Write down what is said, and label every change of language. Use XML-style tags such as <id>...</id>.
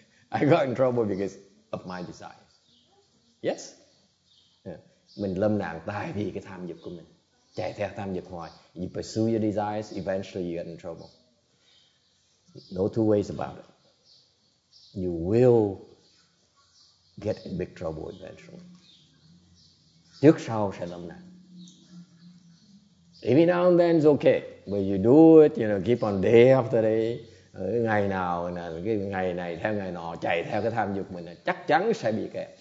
<en>I got in trouble because of my desires. Yes?</en> <vi>Mình lâm nạn tại vì cái tham dục của mình. Chạy theo tham dục hoài.</vi> <en>You pursue your desires, eventually you get in trouble. No two ways about it. You will get in big trouble eventually.</en> <vi>Trước sau sẽ lâm nạn.</vi> <en>Every now and then it's okay. But you do it, you know, keep on day after day.</en> <vi>Ngày nào, cái ngày này theo ngày nọ, chạy theo cái tham dục mình, chắc chắn sẽ bị kẹt.</vi>